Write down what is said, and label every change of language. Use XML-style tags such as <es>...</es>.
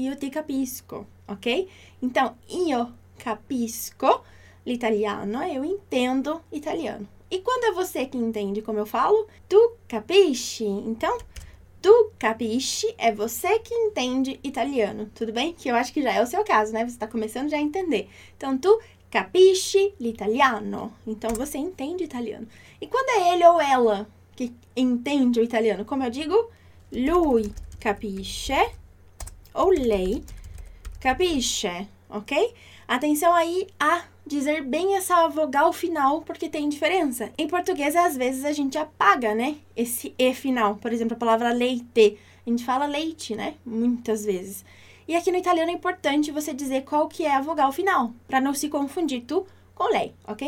<it>Io ti capisco, ok? Então, io capisco l'italiano,</it> <pt>eu entendo italiano. E quando é você que entende como eu falo?</pt> <it>Tu capisci?</it> <pt>Então,</pt> <it>tu capisci</it> <pt>é você que entende italiano, tudo bem? Que eu acho que já é o seu caso, né? Você está começando já a entender.</pt> <it>Então, tu capisci l'italiano?</it> <pt>Então você entende italiano. E quando é ele ou ela que entende o italiano? Como eu digo?</pt> <it>Lui capisce ou lei capisce, ok?</it> <pt>Atenção aí a dizer bem essa vogal final, porque tem diferença. Em português, às vezes a gente apaga, né? Esse e final. Por exemplo, a palavra leite. A gente fala leite, né? Muitas vezes. E aqui no italiano é importante você dizer qual que é a vogal final, para não se confundir tu com lei, ok?</pt>